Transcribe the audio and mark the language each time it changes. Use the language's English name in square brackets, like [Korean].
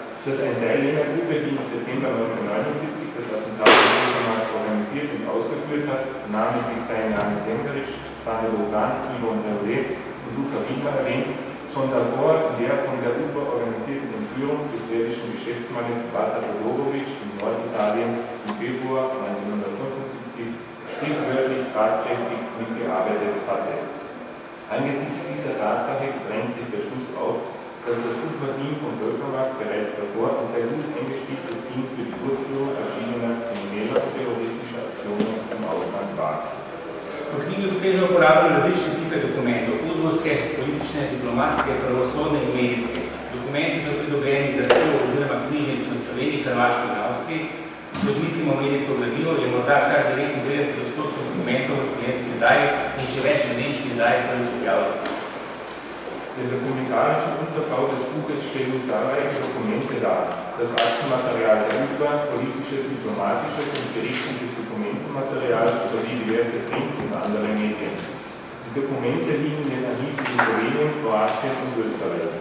[German] dass ein Teilnehmergruppe, die im September 1979 das Attentat im Supermarkt organisiert und ausgeführt hat, namentlich seien Janez Zemljič, Stane Dolgan, Ivo Mreve und Luka Wiedmar erwähnt, schon davor der von der UPA organisierten Entführung des serbischen Geschäftsmannes Bata Todorović in Norditalien im Februar 1975 sprichwörtlich tatkräftig mitgearbeitet hatte. Angesichts dieser Tatsache drängt sich der Schluss auf, dass das UPA-Team von Völkermacht bereits davor ein sehr gut eingespieltes Team für die Durchführung erschienener krimineller und terroristischer Aktionen im Ausland war. [Slovenian] V knjigi obsežno uporabljajo različne tipe dokumentov, futbolske, politične, diplomatske, pravosodne in medijske. Dokumenti so pridobljeni za zahtevo oziroma knjižnic v Sloveniji, Hrvaški in Avstriji. Kot mislimo medijsko gradivo, je morda kar 99% dokumentov v slovenski izdaji in še več v nemški izdaji prvič objavljeno. [German] Der dokumentarische Unterbau des Buches stellt uns zahlreiche Dokumente dar. Das Aktenmaterial der UPA, politisches, diplomatisches und gerichtliches Dokumentenmaterial sowie diverse Print- und andere Medien. Die Dokumente liegen in den Archiven in Slowenien, Kroatien und Österreich.